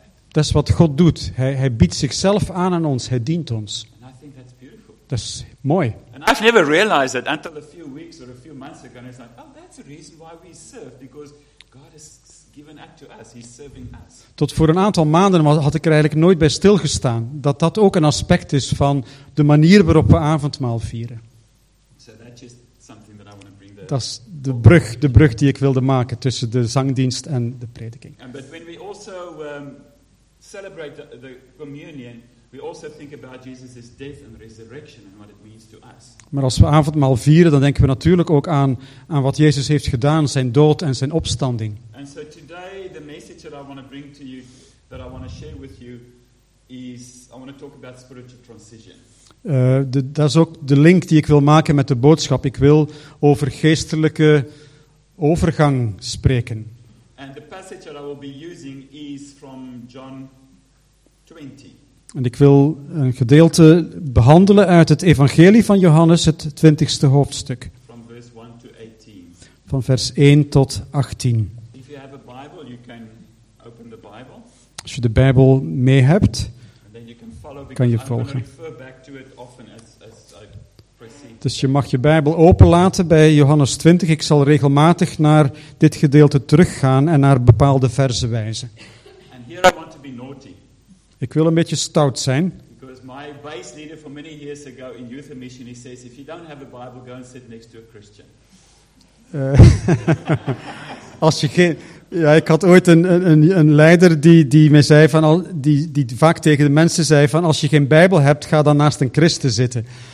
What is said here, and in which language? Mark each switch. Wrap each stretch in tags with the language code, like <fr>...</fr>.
<nl>Dat is wat God doet. Hij biedt zichzelf aan ons. Hij dient ons.</nl> <en>And I think that's beautiful.</en> <nl>Dat is mooi.</nl> <en>And I've never realized that until a few weeks or a few months ago. And it's like, oh, that's the reason why we serve, because God is given up to us. He's serving us.</en> <nl>Tot voor een aantal maanden had ik er eigenlijk nooit bij stilgestaan dat ook een aspect is van de manier waarop we avondmaal vieren.</nl> <en>So that's just something that I want to bring</en> <nl>the. Dat's de brug die ik wilde maken tussen de zangdienst en de prediking.</nl> <en>And but when we also celebrate the communion, we also think about Jesus' death and resurrection and what it means to us.</en> <nl>Maar als we avondmaal vieren, dan denken we natuurlijk ook aan wat Jezus heeft gedaan, zijn dood en zijn opstanding.</nl> <en>And so today the message that I want to bring to you, that I want to share with you, is I want to talk about spiritual transition.</en> <nl>Dat is ook de link die ik wil maken met de boodschap. Ik wil over geestelijke overgang spreken.</nl> <en>And the passage that I will be using is from John 20.</en> <nl>En ik wil een gedeelte behandelen uit het evangelie van Johannes, het 20ste hoofdstuk.</nl> <en>From verse 1 to 18.</en> <nl>Van vers 1 tot 18.</nl> <en>If you have a Bible, you can open the Bible.</en> <nl>Als je de Bijbel mee hebt,</nl> <en>and then you can follow,</en> <nl>kan je volgen.</nl> <en>I'm gonna refer back to it often as I proceed.</en> <nl>Dus je mag je Bijbel openlaten bij Johannes 20. Ik zal regelmatig naar dit gedeelte teruggaan en naar bepaalde verzen wijzen.</nl> <en>And here I want to be naughty.</en> <nl>Ik wil een beetje stout zijn.</nl> <en>Because my base leader for many years ago in youth mission, he says, if you don't have a Bible, go and sit next to a Christian.</en> <nl>Als je geen, ja, ik had ooit een leider die me zei van al, die vaak tegen de mensen zei van als je geen Bijbel hebt, ga dan naast een Christen zitten.</nl>